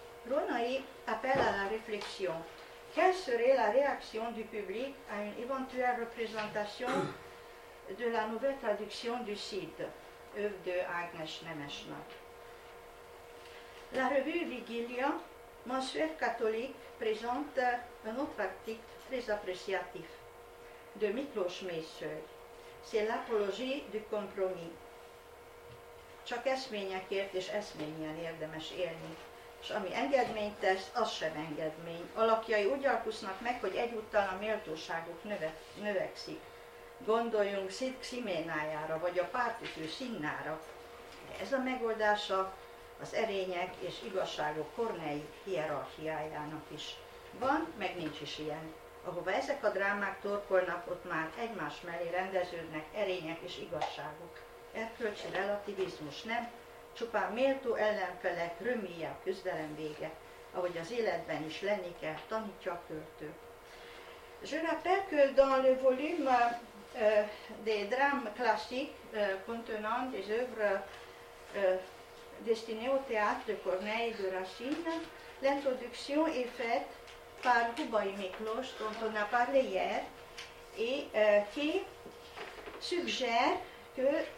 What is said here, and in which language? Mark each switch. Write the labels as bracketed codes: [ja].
[fr] Rónai appelle à la réflexion. Quelle serait la réaction du public à une éventuelle représentation de la nouvelle traduction du Cid, œuvre de Ágnes Nemes Nagy? La revue Vigilia, mensuelle catholique, présente un autre article très appréciatif de Miklós Mészöly. C'est l'apologie du compromis. [hu] Csak eszményekért és eszményen érdemes élni. És ami engedményt tesz, az sem engedmény. Alakjai úgy alkusznak meg, hogy egyúttal a méltóságuk növekszik. Gondoljunk Cid Ximénájára, vagy a pártütő Sinnára. De ez a megoldása az erények és igazságok Corneille hierarchiájának is. Van, meg nincs is ilyen. Ahova ezek a drámák torkolnak, ott már egymás mellé rendeződnek erények és igazságok. Erkölcsi relativizmus nem, csupán méltó ellenfelek, römélye a küzdelem vége, ahogy az életben is lenni kell, tanítja a költő. [fr] Je rappelle que dans le volume des drames classiques contenant des œuvres destinées au théâtre de Corneille de Racine, l'introduction est faite par Hubay Miklós, dont on a parlé hier, et qui suggère que